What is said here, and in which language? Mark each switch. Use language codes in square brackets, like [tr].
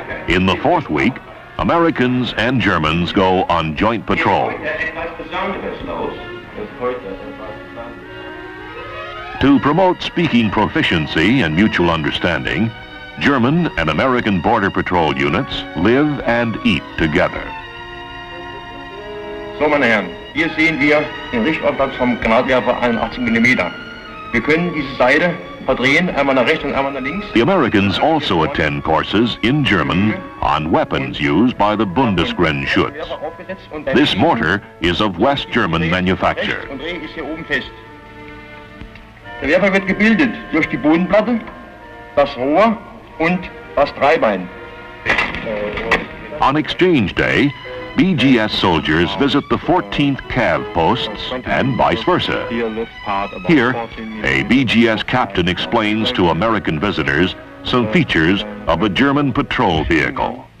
[en] In the fourth week, Americans and Germans go on joint patrol. To promote speaking proficiency and mutual understanding, German and American Border Patrol units live and eat together. [de] So, meine Herren, hier sehen wir den Richtauftrag vom Granatwerfer 81 mm. Wir können diese Seite verdrehen, einmal nach rechts und einmal nach links. [en] The Americans also attend courses in German on weapons used by the Bundesgrenzschutz. This mortar is of West German manufacture. [de] Und dreh ist hier oben fest. Der Werfer wird gebildet durch die Bodenplatte, das Rohr und das Dreibein. [en] On exchange day, BGS soldiers visit the 14th Cav posts and vice versa. Here, a BGS captain explains to American visitors some features of a German patrol vehicle.